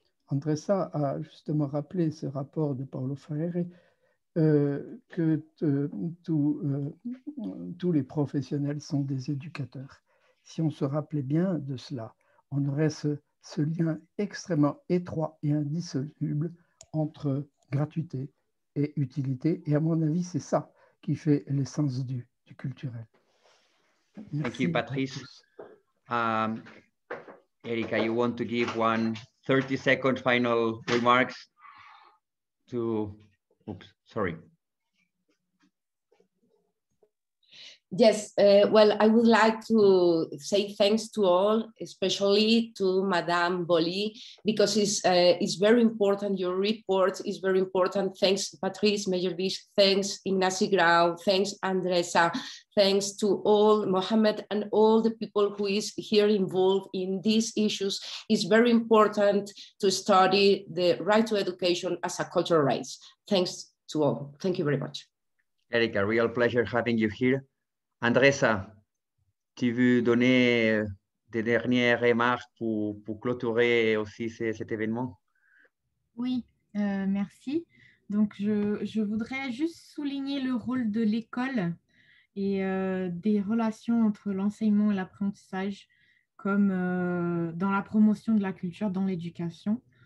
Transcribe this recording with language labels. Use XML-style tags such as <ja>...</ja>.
<fr>Andressa a justement rappelé ce rapport de Paulo Freire que tous les professionnels sont des éducateurs. Si on se rappelait bien de cela, on aurait ce, ce lien extrêmement étroit et indissoluble entre gratuité et utilité. Et à mon avis, c'est ça qui fait l'essence du culturel. Merci.</fr> <en>Thank you, Patrice. Erika, you want to give one 30-second final remarks to... Oops, sorry. Yes, well, I would like to say thanks to all, especially to Madame Boli, because it's very important, your report is very important. Thanks, Patrice Meyerbeer, thanks, Ignacy Grau, thanks, Andresa, thanks to all, Mohamed, and all the people who is here involved in these issues. It's very important to study the right to education as a cultural right. Thanks to all. Thank you very much. Erika, real pleasure having you here.</en> <fr>Andresa, tu veux donner des dernières remarques pour clôturer aussi cet événement? Oui, merci. Donc, je voudrais juste souligner le rôle de l'école et des relations entre l'enseignement et l'apprentissage comme dans la promotion de la culture, dans l'éducation.</fr>